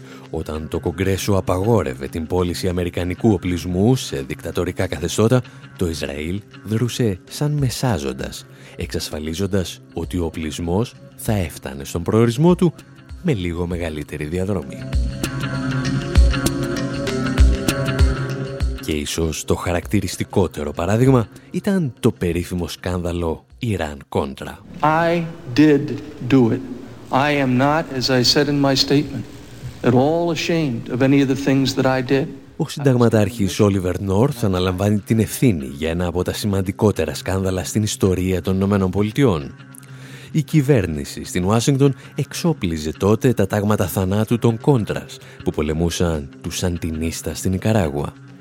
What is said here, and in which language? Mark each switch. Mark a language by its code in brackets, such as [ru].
[el] όταν το Κογκρέσο απαγόρευε την πώληση αμερικανικού οπλισμού σε δικτατορικά καθεστώτα, το Ισραήλ δρούσε σαν μεσάζοντας, εξασφαλίζοντας ότι ο οπλισμός θα έφτανε στον προορισμό του με λίγο μεγαλύτερη διαδρομή. Και ίσως το χαρακτηριστικότερο παράδειγμα ήταν το περίφημο σκάνδαλο Ιράν-Κόντρα. [en] I did do it. I am not, as I said in my statement, at all ashamed of any of the things that I did. [el] Ο συνταγματάρχης Όλιβερ Νόρθ αναλαμβάνει την ευθύνη για ένα από τα σημαντικότερα σκάνδαλα στην ιστορία των Ηνωμένων Πολιτειών. Η κυβέρνηση στην Ουάσιγκτον εξόπλιζε τότε τα τάγματα θανάτου των Κόντρας που πολεμούσαν τους Σαντινίστα στην Νικαράγουα.